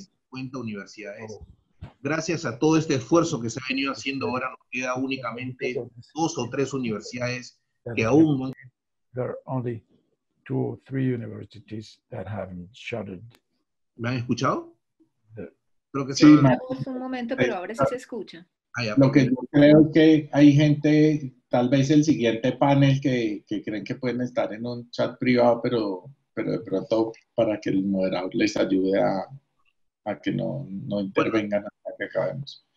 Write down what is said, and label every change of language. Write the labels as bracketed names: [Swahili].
[Spanish] Cuenta universidades. Gracias a todo este esfuerzo que se ha venido haciendo, ahora nos queda únicamente dos o tres universidades que aún no. [English] There are only two or three universities that haven't shuttered. [Spanish] ¿Me han escuchado? Creo que sí. Sí, un momento, pero ahora sí se escucha. Lo que yo creo es que hay gente, tal vez el siguiente panel, que creen que pueden estar en un chat privado, pero de pronto para que el moderador les ayude a que no intervengan hasta que acabemos.